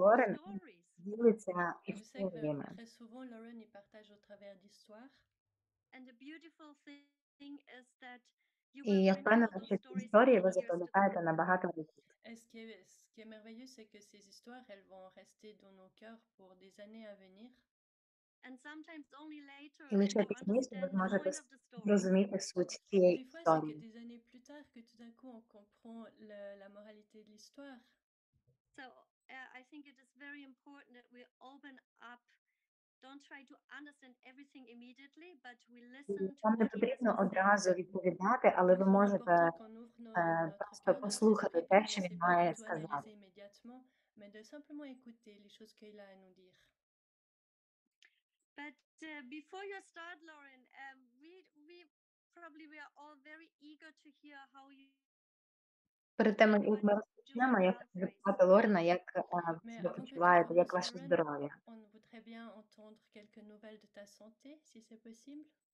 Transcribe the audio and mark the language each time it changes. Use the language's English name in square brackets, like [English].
[Ukrainian] Лорен ділиться історіями. [French] Lauren partage au travers d'histoire. [English] And the beautiful thing is that [Ukrainian] і я впевнена, що ці історії ви запам'ятаєте на багато років. [French] Ce qui est merveilleux c'est que ces histoires elles vont rester dans nos cœurs pour des années à venir. [English] And sometimes only later [Ukrainian] і лише пізніше ви зможете зрозуміти суть цієї історії. Це [French] des années plus tard que tout d'un coup on comprend la moralité de l'histoire. [English] So I think it is very important that we open up. Don't try to understand everything immediately, but we listen. [Ukrainian] Не потрібно одразу відповідати, але ви можете просто послухати те, що він має сказати. [French] Mais de simplement écouter les choses qu'il a à nous dire. [English] But before you start, Lauren, we are all very eager to hear how you. [Ukrainian] Перед тим, як ми розпочнемо, я хочу запитати Лорена, як ви почуваєте, як ваше здоров'я. [French] On voudrait bien entendre quelques nouvelles de ta santé, si c'est possible.